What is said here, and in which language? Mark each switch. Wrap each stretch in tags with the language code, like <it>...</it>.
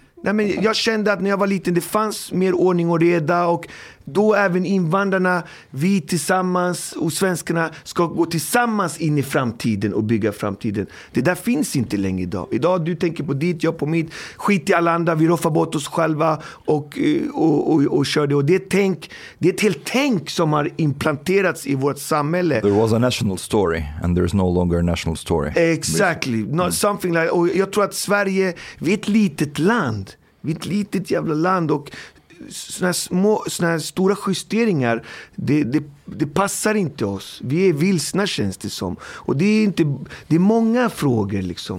<sv>Nej, men jag kände att när jag var liten det fanns mer ordning och reda och då även invandrarna, vi tillsammans och svenskarna ska gå tillsammans in i framtiden och bygga framtiden. Det där finns inte längre idag. Idag du tänker på ditt, jag på mitt, skit i alla andra, vi roffar bort oss själva och kör det. Och det är ett helt tänk som har implanterats i vårt samhälle.</sv> <en>There was a national story and there is no longer a national story. Exactly. Not something like,</en> <sv>och jag tror att Sverige, vi är ett litet land. Vi är ett litet jävla land och såna här stora justeringar, det passar inte oss. Vi är vilsna känns det som. Och det är inte, det är många frågor liksom.</sv>